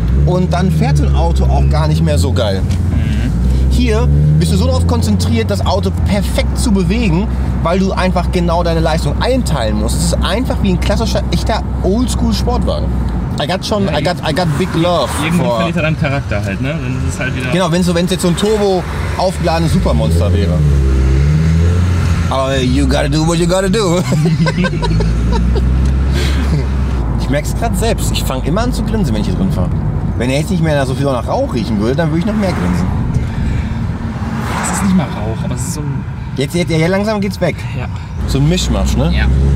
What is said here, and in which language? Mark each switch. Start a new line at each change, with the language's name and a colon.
German: Und dann fährt so ein Auto auch gar nicht mehr so geil. Hier bist du so darauf konzentriert, das Auto perfekt zu bewegen, weil du einfach genau deine Leistung einteilen musst. Es ist einfach wie ein klassischer, echter Oldschool-Sportwagen.
English: I got big love.
German: Irgendwo verliert er deinen Charakter halt, ne? Dann ist es halt wieder. Genau, wenn es jetzt so ein Turbo-aufgeladenes Supermonster wäre.
English: Aber you gotta do what you gotta do.
German: Ich merke es gerade selbst. Ich fange immer an zu grinsen, wenn ich hier drin fahre. Wenn er jetzt nicht mehr so viel nach Rauch riechen würde, dann würde ich noch mehr grinsen. Das ist nicht mal Rauch, aber es ist so ein... Jetzt langsam geht's weg. Ja. So ein Mischmasch, ne? Ja.